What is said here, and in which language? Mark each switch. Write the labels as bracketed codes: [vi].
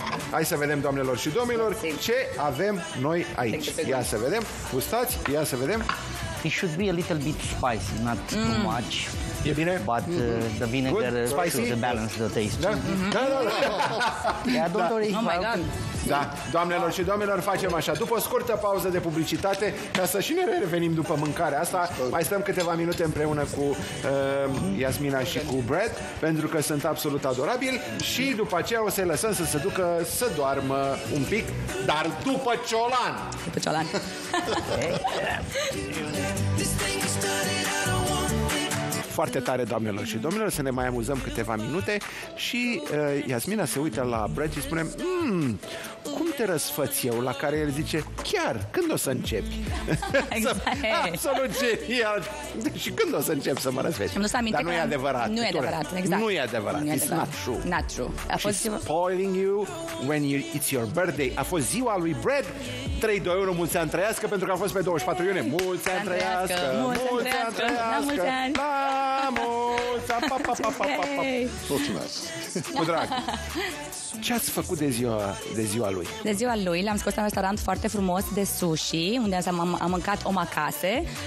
[ro] Hai să vedem, doamnelor și domnilor, ce avem noi aici. Ia să vedem. Gustați, ia să vedem. [en] It should be a little bit spicy, not too much. [ro] E bine? [en] But the vinegar should balance the taste. [ro] Da? Mm-hmm. Da. [en] Yeah, don't worry. Oh my God. [ro] Da, doamnelor și domnilor, facem așa. După o scurtă pauză de publicitate, ca să și ne revenim după mâncarea asta, mai stăm câteva minute împreună cu Iasmina și cu Brad, pentru că sunt absolut adorabili. Și după aceea o să-i lăsăm să se ducă să doarmă un pic, dar după ciolan. După ciolan. Foarte tare, doamnelor și domnilor, să ne mai amuzăm câteva minute. Și Iasmina se uită la Brad și spune: cum te răsfăți eu? La care el zice: chiar, când o să începi? Exact. Absolut genial. Și când o să încep să mă răsfăți? Dar nu e adevărat. Nu e adevărat, exact. Nu e adevărat. [en] It's not true. Not true. [ro] A fost [en] spoiling you when it's your birthday. [ro] A fost ziua lui Brad. 3, 2, 1, mulți ani trăiască, pentru că a fost pe 24 iunie. Mulți ani trăiască. Mulți ani trăiască. Cu drag. Ce ați făcut de ziua lui? De ziua lui l-am scos la un restaurant foarte frumos de sushi, unde am mâncat omakase.